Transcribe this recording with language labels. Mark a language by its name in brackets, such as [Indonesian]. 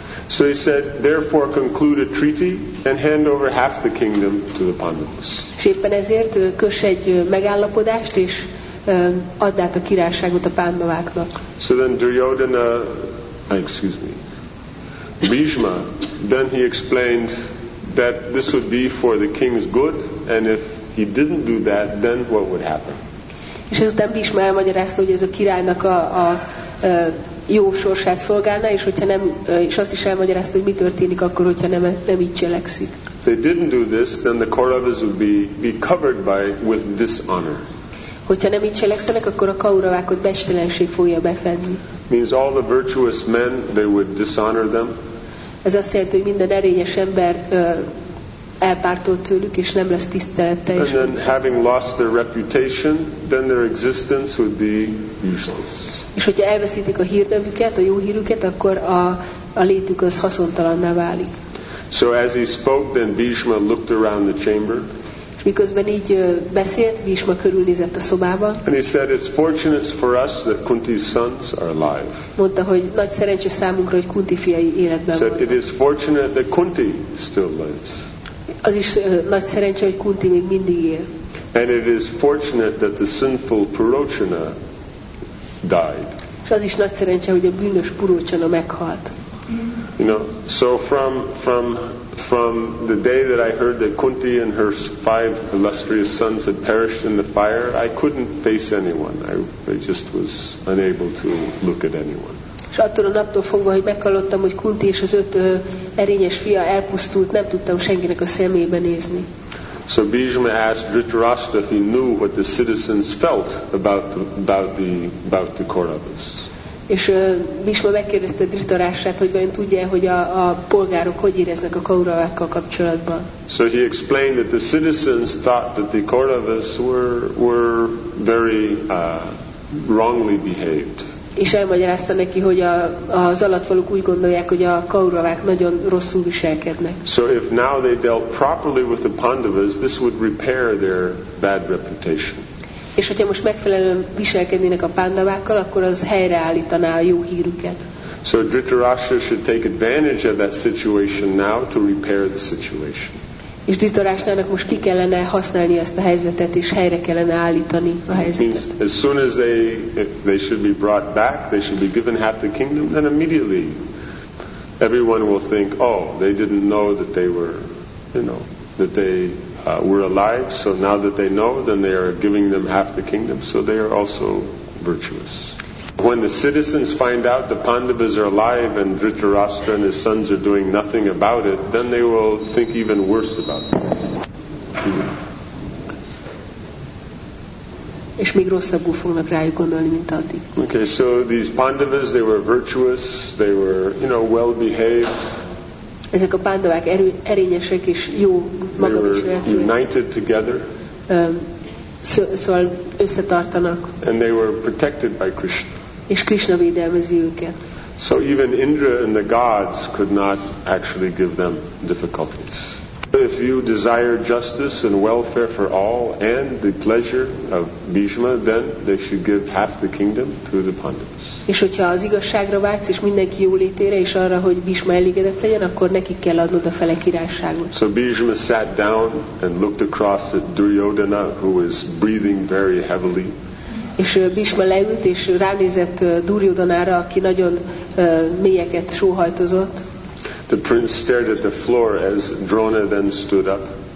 [English] So he said, therefore conclude a treaty and hand over half the kingdom to the Pandavas. [Hungarian] És éppen ezért kösse egy megállapodást, és add át a királyságot a Pandaváknak. [English] So then Duryodhana, excuse me, Bhishma, then he explained that this would be for the king's good, and if he didn't do that, then what would happen? [Hungarian] És ezután Bhishma elmagyarázta, hogy ez a királynak a jó sorsát szolgálna, és hogyha nem, és azt is elmagyarázta, hogy mi történik akkor, hogyha nem így cselekszik. [English] If they didn't do this, then the Kauravas would be covered by with dishonor. [Hungarian] Hogyha nem így cselekszenek, akkor a kauravákat becstelenség fogja befedni. [English] Means all the virtuous men, they would dishonor them. [Hungarian] Ez azt jelenti, hogy minden erényes ember elpártolt tőlük, és nem lesz tisztelete. [English] And then having lost their reputation, then their existence would be useless. [Hungarian] És hogyha elveszítik a hírnevüket, a jó hírüket, akkor a létük az haszontalanná válik. [English] So as he spoke, then Bhishma looked around the chamber. [Hungarian] És miközben így beszélt, Bhishma körülnézett a szobában. [English] And he said, it's fortunate for us that Kunti's sons are alive. [Hungarian] Mondta, hogy nagy szerencse számunkra, hogy Kunti fiai életben vannak. [English] So it is fortunate that Kunti still lives. [Hungarian] Az is nagy szerencse, hogy Kunti még mindig él. [English] And it is fortunate that the sinful Purochana died. [Hungarian] És az is nagy szerencse, hogy a bűnös Purochana meghalt. [English] You know, so from the day that I heard that Kunti and her five illustrious sons had perished in the fire, I couldn't face anyone. I just was unable to look at anyone. [Hungarian] És attól a naptól fogva, hogy meghallottam, hogy Kunti és az öt erényes fia elpusztult, nem tudtam senkinek a szemébe nézni. [English] So Bhishma asked Dhritarashtra if he knew what the citizens felt about the Kauravas. [Hungarian] És Bhishma megkérdezte Dhritarashtrát, hogy vajon tudja, hogy a polgárok hogy éreznek a Kauravákkal kapcsolatban. [English] So he explained that the citizens thought that the Kauravas were very wrongly behaved. [Hungarian] És elmagyarázta neki, hogy az alattvalók úgy gondolják, hogy a Kauravák nagyon rosszul viselkednek. [English] So if now they dealt properly with the Pandavas, this would repair their bad reputation. [Hungarian] És hogyha most megfelelően viselkednének a Pandavákkal, akkor az helyreállítaná a jó hírüket. [English] So Dhritarashtra should take advantage of that situation now to repair the situation. [Hungarian] És Dhritarashtrának most ki kellene használni ezt a helyzetet, és helyre kellene állítani a helyzetet. [English] As soon as they should be brought back, they should be given half the kingdom, then immediately everyone will think, oh, they didn't know that they were, you know, that they were alive, so now that they know, then they are giving them half the kingdom, so they are also virtuous. When the citizens find out the Pandavas are alive and Dhritarashtra and his sons are doing nothing about it, then they will think even worse about them. [Hungarian] És még rosszabbul fognak rájuk gondolni, mint addig. [English] Okay, so these Pandavas, they were virtuous, they were, you know, well behaved. [Hungarian] Ezek a Pandavák erényesek és jó magabiztosak. [English] United together. [Hungarian] Szóval összetartanak. [English] And they were protected by Krishna. [Hungarian] És Krishna védelmezi őket. [English] So even Indra and the gods could not actually give them difficulties. If you desire justice and welfare for all and the pleasure of Bhishma, then they should give half the kingdom to the Pandavas. [Hungarian] És hogyha az igazságra vágysz, és mindenki jólétére, és arra, hogy Bhishma elégedett legyen, akkor neki kell adnod a fele királyságot. [English] So Bhishma sat down and looked across at Duryodhana, who was breathing very heavily. [Hungarian] És Bhishma leült, és ránézett Duryodhanára, aki nagyon mélyeket sóhajtozott. [English] The prince stared at the floor as Drona then stood up.